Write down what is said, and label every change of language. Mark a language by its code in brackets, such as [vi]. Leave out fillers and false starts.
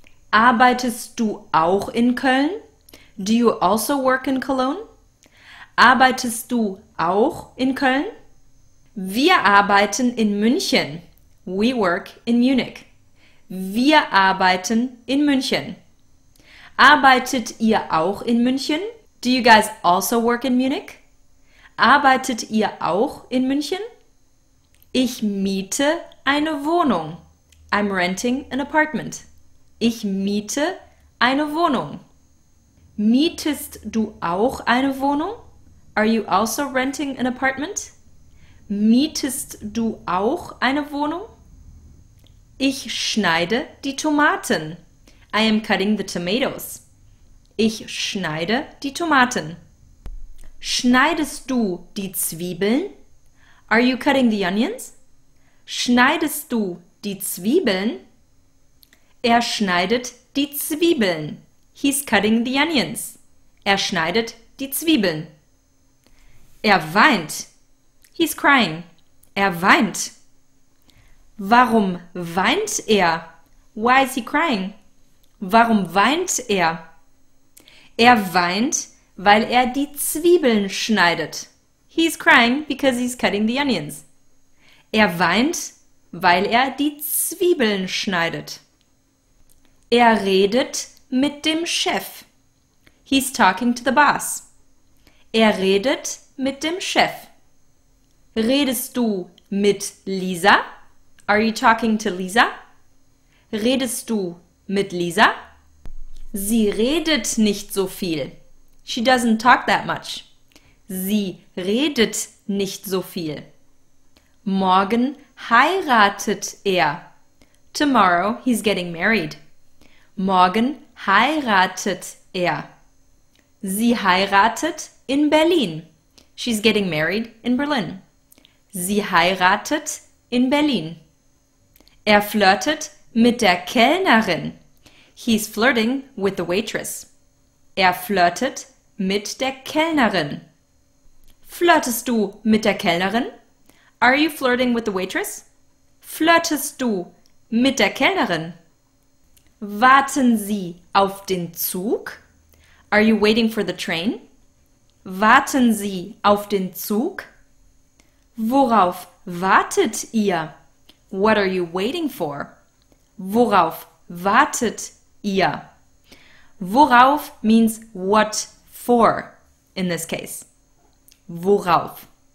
[de] Arbeitest du auch in Köln? [en] Do you also work in Cologne? [de] Arbeitest du auch in Köln? Wir arbeiten in München. [en] We work in Munich. [de] Wir arbeiten in München. Arbeitet ihr auch in München? [en] Do you guys also work in Munich? [de] Arbeitet ihr auch in München? Ich miete eine Wohnung. [en] I'm renting an apartment. [de] Ich miete eine Wohnung. Mietest du auch eine Wohnung? [en] Are you also renting an apartment? [de] Mietest du auch eine Wohnung? Ich schneide die Tomaten. [en] I am cutting the tomatoes. [de] Ich schneide die Tomaten. Schneidest du die Zwiebeln? [en] Are you cutting the onions? [de] Schneidest du die Zwiebeln? Er schneidet die Zwiebeln. [en] He's cutting the onions. [de] Er schneidet die Zwiebeln. Er weint. [en] He's crying. [de] Er weint. Warum weint er? [en] Why is he crying? [de] Warum weint er? Er weint, weil er die Zwiebeln schneidet. [en] He's crying because he's cutting the onions. [de] Er weint, weil er die Zwiebeln schneidet. Er redet mit dem Chef. [en] He's talking to the boss. [de] Er redet mit dem Chef. Redest du mit Lisa? [en] Are you talking to Lisa? [de] Redest du mit Lisa? Sie redet nicht so viel. [en] She doesn't talk that much. [de] Sie redet nicht so viel. Morgen heiratet er. [en] Tomorrow he's getting married. [de] Morgen heiratet er. Sie heiratet in Berlin. [en] She's getting married in Berlin. [de] Sie heiratet in Berlin. Er flirtet mit der Kellnerin. [en] He's flirting with the waitress. [de] Er flirtet mit der Kellnerin. Flirtest du mit der Kellnerin? [en] Are you flirting with the waitress? [de] Flirtest du mit der Kellnerin? Warten Sie auf den Zug? [en] Are you waiting for the train? [de] Warten Sie auf den Zug? Worauf wartet ihr? [en] What are you waiting for? [de] Worauf wartet ihr? [en] Worauf means what for in this case. Worauf?